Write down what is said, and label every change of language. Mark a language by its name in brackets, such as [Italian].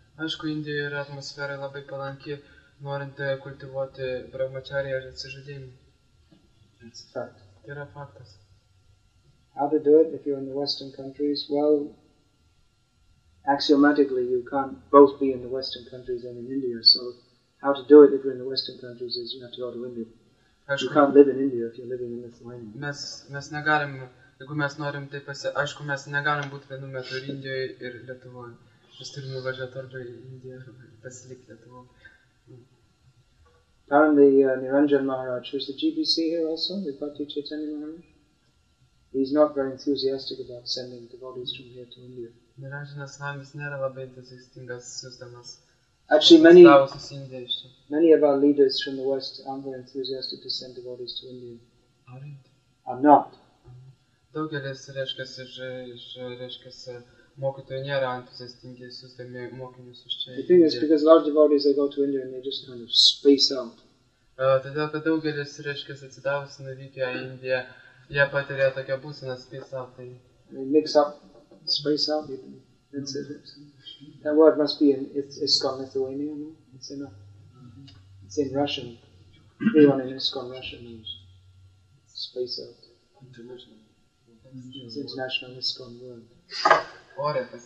[Lithuanian] Aišku, Indijoje yra atmosfera labai palanki, norint kultivuoti brahmacharya ir atsižadėjimą. [English] That's a fact. [Lithuanian] Tai yra faktas. [English] How to do it if you're in the Western countries? Well, axiomatically you can't both be in the Western countries and in India, so how to do it if you're in the Western countries is you have to go to India. You can't live in India if you're living in Lithuania. [Lithuanian] Mes negalim, jeigu mes norim taip aišku, mes negalim būti vienu metu ir Indijoje ir Lietuvoje. Mes turime važiuoti arba į Indiją arba pasilikti Lietuvoje. [English] Apparently, Niranjan Maharaj, who's the GBC here also, we've got Bhakti Chaitanya Maharaj. He's not very enthusiastic about sending devotees from here to India. [Lithuanian] Niranjanas Swamis nėra labai entuziastingas siūsdamas. [English] Actually, many of our leaders from the West aren't very enthusiastic to send devotees to India. Aren't? Are not. [Lithuanian] Daugelis, reiškias, reiškias, mokytojai nėra entuziastingi siūsdami mokinius iš čia. [English] The thing is, because large devotees, they go to India and they just kind of space out. [Lithuanian] Todėl, kad daugelis, reiškias, atsidavusi nuvykę į Indiją, jie patiria tokią būsiną [English] space out. They mix up, space out, even. That's it. That word must be in ISKCON Lithuania, no? It's in, it's in Russian. Everyone in ISKCON Russian means space out. International. It's international ISKCON word.